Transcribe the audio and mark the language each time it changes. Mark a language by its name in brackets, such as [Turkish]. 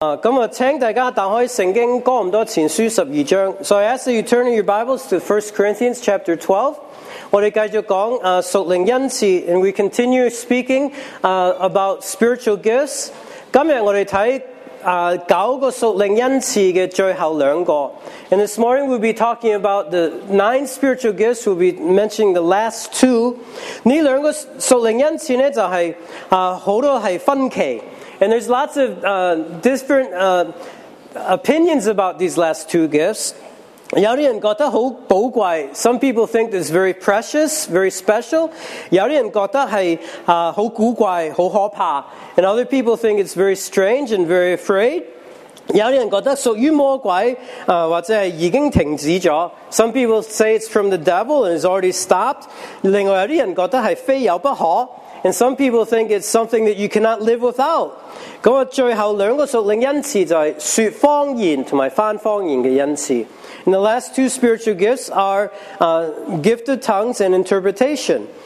[Cantonese] 咁啊，请大家打开圣经哥林多前书十二章。 [English] So I ask that you turn your Bibles to 1 Corinthians chapter 12. [Cantonese] 我哋继续讲属灵恩赐 [English] ，and we continue speaking about spiritual gifts. [Cantonese] 今日我哋睇九个属灵恩赐嘅最后两个。 [English] And this morning we'll be talking about the 9 spiritual gifts. We'll be mentioning the last two. [Cantonese] 呢两个属灵恩赐呢，就系好多系分歧。 [English] And there's lots of different opinions about these last two gifts. [Cantonese] 有啲人觉得好宝贵 [English] ，some people think it's very precious, very special. [Cantonese] 有啲人觉得系好古怪，好可怕 [English] ，and other people think it's very strange and very afraid. [Cantonese] 有啲人觉得属于魔鬼，或者系已经停止咗 [English] ，some people say it's from the devil and it's already stopped. [Cantonese] 另外有啲人觉得系非有不可。 [English] And some people think it's something that you cannot live without. [Cantonese] 咁啊，最后两个属灵恩赐就系说方言同埋翻方言嘅恩赐。 [English] And the last two spiritual gifts are gift of tongues and interpretation.